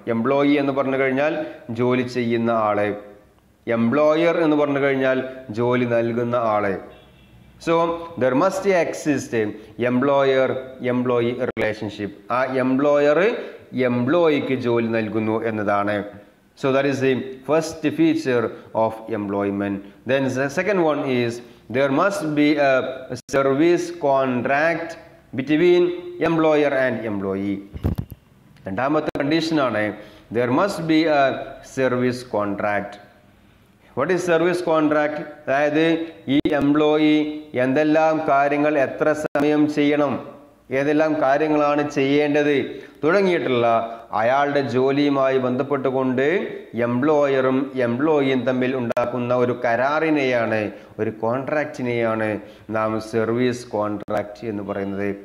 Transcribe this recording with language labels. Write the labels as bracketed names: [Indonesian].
[Malayalam] Employee എന്ന് പറഞ്ഞു കഴിഞ്ഞാൽ ജോലി ചെയ്യുന്ന ആള്, എംപ്ലോയർ എന്ന് പറഞ്ഞു കഴിഞ്ഞാൽ ജോലി നൽകുന്ന ആള്. [English] So there must exist employer employee relationship. [Malayalam] ആ എംപ്ലോയർ എംപ്ലോയിക്ക് ജോലി നൽകുന്നു എന്നതാണ്. [English] So that is the first feature of employment. Then the second one is there must be a service contract between employer and employee. [Malayalam] രണ്ടാമത്തെ condition ആണ് [English] there must be a service contract. What is service contract? [Malayalam] അതായത് ഈ employee എന്തെല്ലാം കാര്യങ്ങൾ എത്ര സമയം ചെയ്യണം, ഏതെല്ലാം കാര്യങ്ങളാണ് ചെയ്യേണ്ടത് തുടങ്ങിയിട്ടുള്ള അയാളുടെ ജോലിയുമായി ബന്ധപ്പെട്ട് കൊണ്ട് എംപ്ലോയറും എംപ്ലോയിയും തമ്മിൽ ഉണ്ടാക്കുന്ന ഒരു കരാറിനെയാണ് ഒരു കോൺട്രാക്റ്റിനെയാണ് നാം സർവീസ് കോൺട്രാക്റ്റ് എന്ന് പറയുന്നത്.